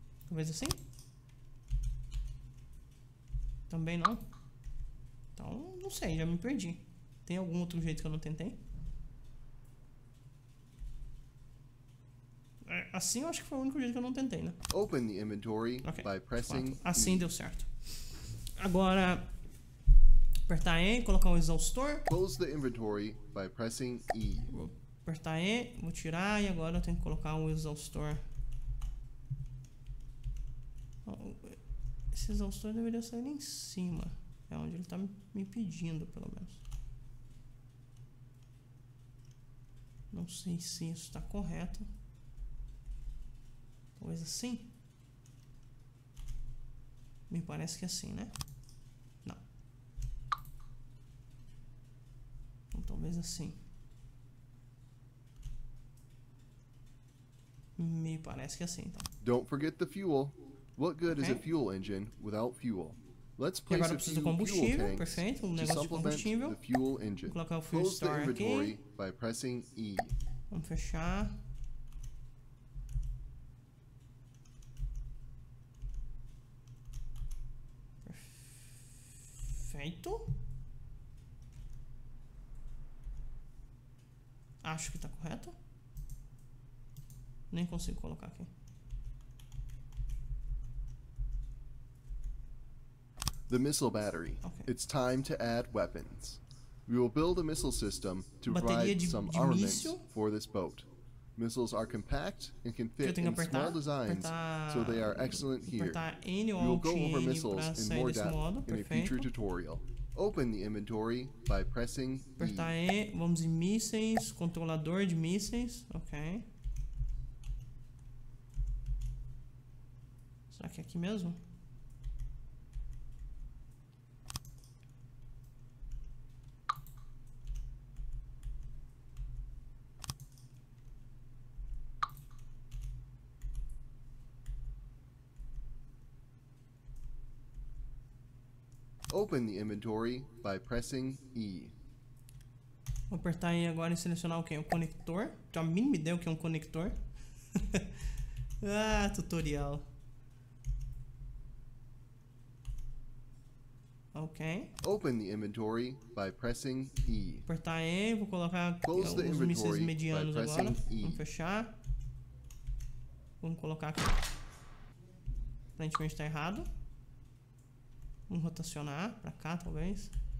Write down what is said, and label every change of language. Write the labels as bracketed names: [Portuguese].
[Portuguese] Talvez assim? Também não? Então, não sei, já me perdi. Tem algum outro jeito que eu não tentei? Assim eu acho que foi o único jeito que eu não tentei, né? [English] Open the inventory by pressing. [Portuguese] Assim deu certo. Agora, apertar E, colocar o exaustor. [English] Close the inventory by pressing E. [Portuguese] Vou apertar E, vou tirar e agora eu tenho que colocar o exaustor. Esse exaustor deveria sair em cima. É onde ele tá me pedindo, pelo menos. Não sei se isso tá correto. Talvez assim? Me parece que é assim, né? Não. Então, talvez assim. Me parece que é assim, então. [English] Don't forget the fuel. What good is a fuel engine without fuel? Let's place [Portuguese] agora preciso de combustível, perfeito, um negócio de combustível. [English] The fuel engine. [Portuguese] Vou colocar o fuel star aqui. [English] By pressing E. [Portuguese] Vamos fechar. Perfeito. Acho que tá correto. Nem consigo colocar aqui. [English] The missile battery. Okay. It's time to add weapons. We will build a missile system to provide some armaments for this boat. Missiles are compact and can fit in small designs, so they are excellent here. We will go over missiles in more depth in a future tutorial. Open the inventory by pressing E. [Portuguese] Vamos em mísseis, controlador de mísseis, ok. que é aqui mesmo? [English] Open the inventory by pressing E. [Portuguese] Vou apertar E agora e selecionar o que? O conector? Já a mínima ideia o que é um conector. Ah, tutorial. Ok. [English] Open the inventory by pressing E. [Portuguese] Vou apertar E, vou colocar os mísseis medianos agora. Vamos fechar. Vamos colocar aqui. Aparentemente está errado. Vamos rotacionar para cá, talvez.